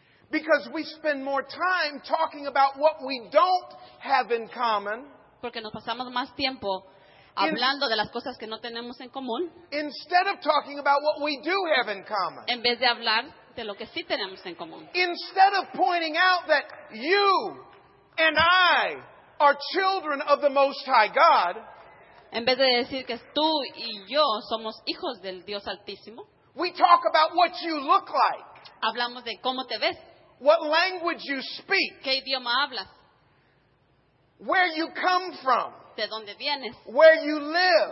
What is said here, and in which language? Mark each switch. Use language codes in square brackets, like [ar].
[en] Because we spend more time talking about what we don't have in common. [es] Porque nos pasamos más tiempo hablando de las cosas que no tenemos en común. [en] Instead of talking about what we do have in common. [es] En vez de hablar de lo que sí tenemos en común. [en] Instead of pointing out that you and I are children of the Most High God. [es] En vez de decir que tú y yo somos hijos del Dios Altísimo. [en] We talk about what you look like. [es] Hablamos de cómo te ves. [en] What language you speak. [es] ¿Qué idioma hablas? [en] Where you come from. [es] ¿De dónde vienes? [en] Where you live.